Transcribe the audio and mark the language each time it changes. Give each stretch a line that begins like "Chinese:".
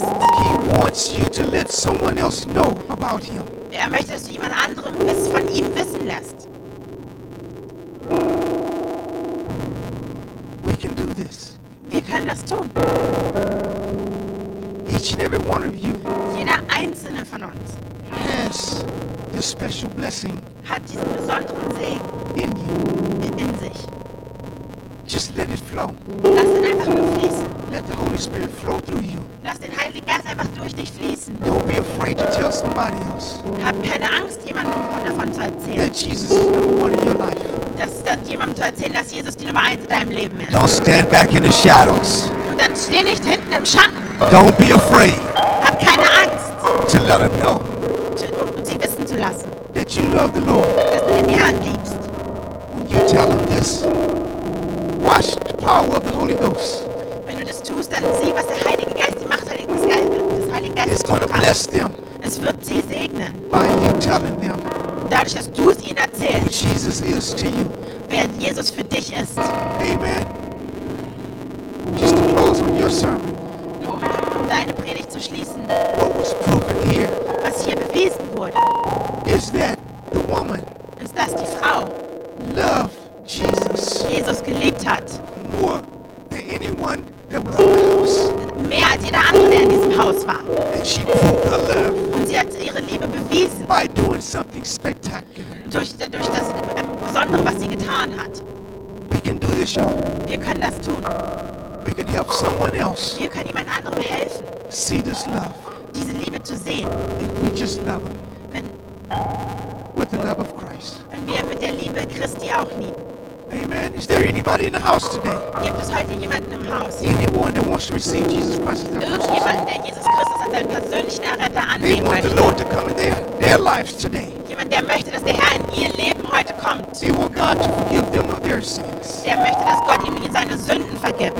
English: He wants you to let someone else know about him.
German: Er möchte, dass du jemand anderem von ihm wissen lässt.
English: We can do this.
German: Wir können das tun.
English: Each and every one of you.
German: Jeder einzelne von uns.
English: Has this special blessing.
German: Hat diesen besonderen Segen.
English: In you.
German: In sich.
English: Just let it flow.
German: Lass ihn einfach nur fließen.
English: Let the Holy Spirit flow through you.
German: Lass den Heiligen Geist einfach durch dich fließen.
English: Don't be afraid to tell somebody else.
German: Hab keine Angst, jemandem davon zu erzählen.
English: That Jesus is number one in your life.
German: Dass jemandem zu erzählen, dass Jesus die Nummer 1 in deinem Leben ist.
English: Don't stand back in the shadows.
German: Und dann steh nicht hinten im Schatten.
English: Don't be afraid.
German: Hab keine Angst.
English: To let them know.
German: Um sie wissen zu lassen.
English: That you love the Lord.
German: Dass du den Herrn liebst.
English: When you tell them this, watch the power of the Holy Ghost.
German: Wenn du das tust, dann sieh, was der Heilige Geist, die Macht des Heiligen Geistes,
English: it's going to bless them.
German: Es wird sie segnen.
English: By you telling them.
German: Dadurch, dass du es ihnen erzählst.
English: Who Jesus is to you.
German: Wer Jesus für dich ist.
English: Amen. Just to close on your sermon.
German: Nur um deine Predigt zu schließen.
English: What was proven here.
German: Was hier bewiesen wurde.
English: Is that the woman.
German: Ist das die Frau.
English: Love Jesus.
German: Jesus geliebt hat.
English: More than anyone that was in the house.
German: Mehr als jeder andere, der in diesem Haus war.
English: And she proved her love.
German: Und sie hat ihre Liebe bewiesen.
English: By doing something spectacular.
German: Durch das Besondere, was sie getan hat.
English: We can do this, y'all.
German: Wir können das tun.
English: We can help someone else.
German: Wir können jemand anderem helfen.
English: See this love.
German: Diese Liebe zu sehen.
English: If we just love him.
German: Wenn,
English: with the love of Christ.
German: Wenn wir mit der Liebe Christi auch lieben.
English: Amen. Is there anybody in the house today?
German: Gibt es heute jemanden im Haus?
English: Anyone that wants to receive Jesus Christ as their Lord?
German: Irgendjemand, der Jesus Christus als seinen persönlichen Erretter annehmen möchte?
English: They want the Lord to come in their lives today.
German: Jemand, der möchte, dass der Herr in ihr Leben heute kommt?
English: They want God to forgive them of their sins.
German: Der möchte, dass Gott ihm seine Sünden vergibt.